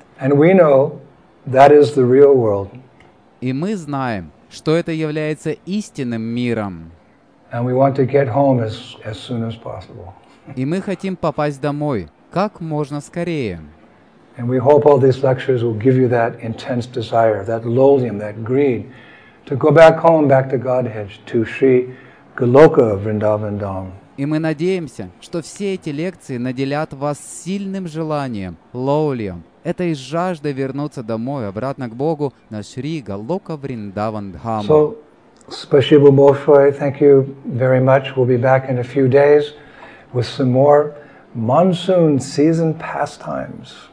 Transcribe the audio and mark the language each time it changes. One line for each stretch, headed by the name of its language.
English: And we know that is the real world.
Russian: И мы знаем, что это является истинным миром.
English: And we want to get home as soon as possible.
Russian: И мы хотим попасть домой как можно скорее.
English: And we hope all these lectures will give you that intense desire, that loathing, that greed to go back home, back to Godhead, to Sri Goloka Vrindavan Dham.
Russian: И мы надеемся, что все эти лекции наделят вас сильным желанием, лоулием, этой жаждой вернуться домой, обратно к Богу, на Шри Галока Вриндаван Дхаму.
English: So,
Russian: спасибо большое,
English: thank you very much. We'll be back in a few days with some more monsoon season pastimes.